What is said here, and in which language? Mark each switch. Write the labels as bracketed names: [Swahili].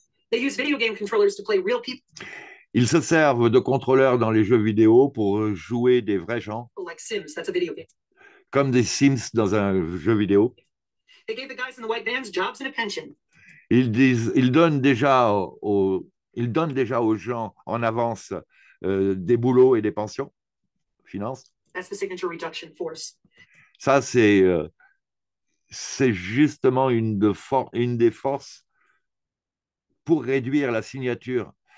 [English] They use video game controllers to play real people. [French] Ils se servent de contrôleurs dans les jeux vidéo pour jouer des vrais gens. [English] Like Sims, that's a video game. [French] Comme des Sims dans un jeu vidéo. [English] They gave the guys in the white vans jobs and a pension. [French] Ils donnent déjà aux gens en avance des boulots et des pensions, finances. [English] That's the signature reduction force. [French] Ça, c'est justement une des forces pour réduire la signature.